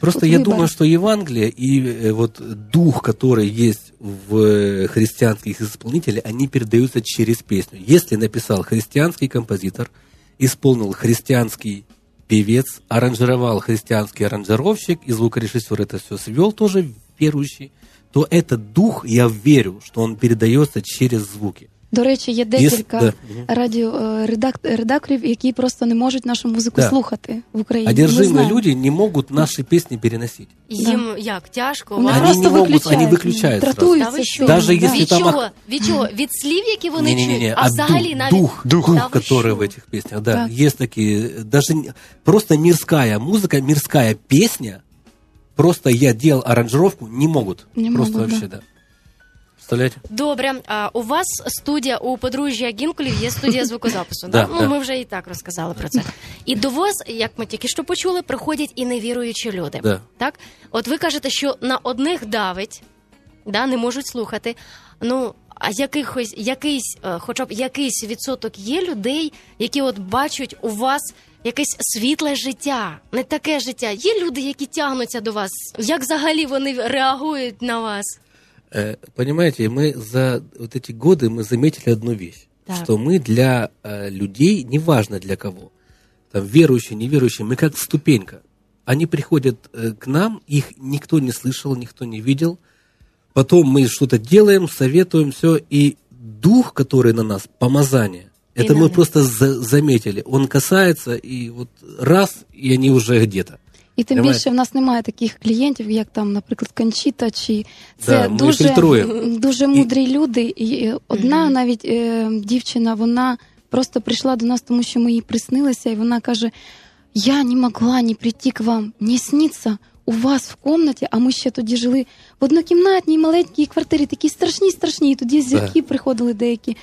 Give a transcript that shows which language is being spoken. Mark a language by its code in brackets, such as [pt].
[ru] Просто тут я думаю, что Евангелие и вот дух, который есть в христианских исполнителях, они передаются через песню. Если написал христианский композитор, исполнил христианский певец, аранжировал христианский аранжировщик, и звукорежиссер это все свел тоже, верующий, то этот дух, я верю, что он передается через звуки. [uk] До речі, є декілька радіоредакторів, які просто не можуть нашу музику слухати в Україні. Одержимі люди не можуть наші пісні переносити. Їм як, тяжко? Вони не можуть, вони виключають. Тратуються. Від чого? Від слів, які вони чують? А взагалі навіть... Дух, який в цих піснях. Да, є такі... Просто мирська музика, мирська пісня, просто я діяв аранжировку, не можуть. Просто взагалі, так. Добре, у вас студія у подружжя Гінкулів, є студія звукозапису. Да? Ну, ми вже і так розказали про це. І до вас, як ми тільки що почули, приходять і невіруючі люди. Да. Так? От ви кажете, що на одних давить, да, не можуть слухати. Ну, а хоча б якийсь відсоток є людей, які от бачать у вас якесь світле життя, не таке життя. Є люди, які тягнуться до вас. Як взагалі вони реагують на вас? [ru] Понимаете, мы за вот эти годы мы заметили одну вещь, так. Что мы для людей, неважно для кого, там верующие, неверующие, мы как ступенька. Они приходят к нам, их никто не слышал, никто не видел. Потом мы что-то делаем, советуем, все. И дух, который на нас, помазание, это мы просто заметили. Он касается, и вот раз, и они уже где-то. [uk] І тим більше в нас немає таких клієнтів, як там, наприклад, Кончіта, чи це да, дуже мудрі люди. І одна навіть дівчина, вона просто прийшла до нас, тому що ми їй приснилися, і вона каже, я не могла ні прийти к вам, ні сніться у вас в комнаті, а ми ще тоді жили в однокімнатній маленькій квартирі, такі страшні, і тоді зірки приходили деякі.